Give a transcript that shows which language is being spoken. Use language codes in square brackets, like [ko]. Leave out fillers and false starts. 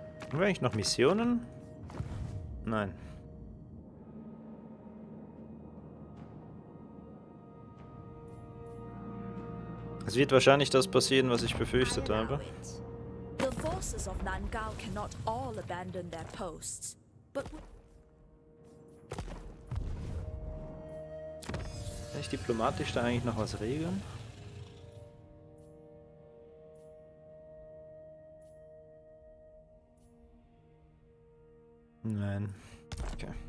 [de] Haben wir eigentlich noch Missionen? Nein. Es wird wahrscheinlich das passieren, was ich befürchtet habe. [en] The forces of Nangao cannot all abandon their posts, but [de] kann ich diplomatisch da eigentlich noch was regeln? Nein. Okay.